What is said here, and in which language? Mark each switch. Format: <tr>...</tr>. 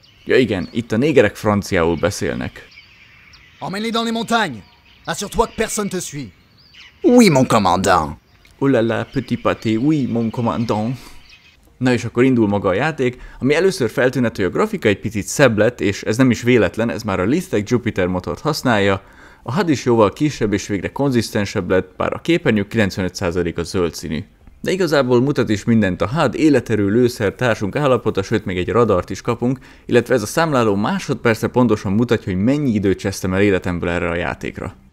<hu>Ja igen, itt a négerek franciául beszélnek.</hu> <fr>Emmène-les dans les montagnes! Assure-toi que personne te suit! Oui, mon commandant! Oh là là, petit pâté, oui, mon commandant!</fr> <hu>Na és akkor indul maga a játék, ami először feltűnhet, hogy a grafika egy picit szebb lett, és ez nem is véletlen, ez már a Listec Jupiter motort használja. A HUD is jóval kisebb és végre konzisztensebb lett, bár a képernyő 95% a zöld színű. De igazából mutat is mindent a HUD, életerő, lőszer, társunk állapota, sőt még egy radart is kapunk, illetve ez a számláló másodpercre pontosan mutatja, hogy mennyi időt csesztem el életemből erre a játékra.</hu>